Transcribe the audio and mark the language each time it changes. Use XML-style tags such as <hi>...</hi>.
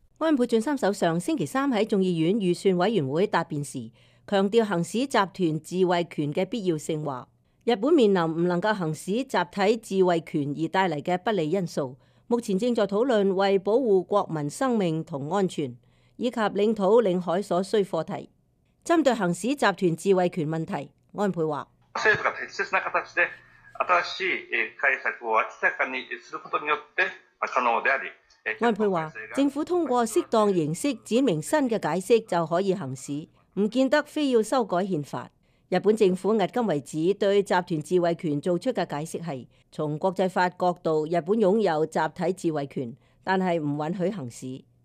<zh>安倍晋三首相星期三在众议院预算委员会答辩时，强调行使集团自卫权的必要性，话日本面临不能够行使集体自卫权而带来的不利因素，目前正在讨论为保护国民生命和安全以及领土领海所需课题。针对行使集团自卫权问题，安倍说，</zh> <ja>政府が適切な形で新しい解釈を明らかにすることによって可能であり。</ja> <zh>安倍说，政府通过适当形式展明新的解释就可以行使，不见得非要修改宪法。日本政府迄今为止对集团自卫权做出的解释是，从国际法角度，日本拥有集体自卫权，但是不允许行使。</zh>